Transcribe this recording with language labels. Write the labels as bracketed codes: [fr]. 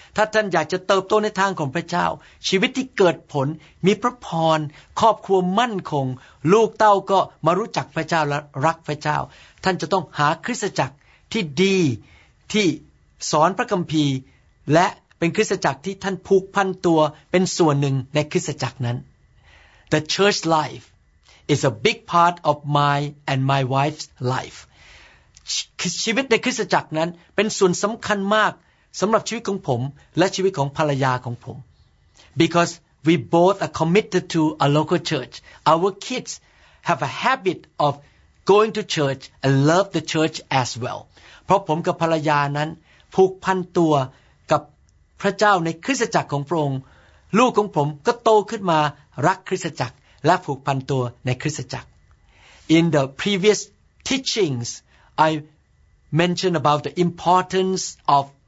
[th] ถ้าท่านอยากจะเติบโตในทางของพระเจ้าชีวิตที่เกิดผลมีพระพรครอบครัวมั่นคงลูกเต้าก็มารู้จักพระเจ้าและรักพระเจ้าท่านจะต้องหาคริสตจักรที่ดีที่สอนพระคัมภีร์และเป็นคริสตจักรที่ท่านผูกพันตัวเป็นส่วนหนึ่งในคริสตจักรนั้น [en] The church life is a big part of my and my wife's life. [th] ชีวิตในคริสตจักรนั้นเป็นส่วนสำคัญมากสำหรับชีวิตของผมและชีวิตของภรรยาของผม [en] Because we both are committed to a local church. Our kids have a habit of going to church and love the church as well. [th] เพราะผมกับภรรยานั้นผูกพันตัวพระเจ้าในคริสตจักรของพระองค์ลูกของผมก็โตขึ้นมารักคริสตจักรและผูกพันตัวในคริสตจักร [en] In the previous teachings I mentioned about the importance of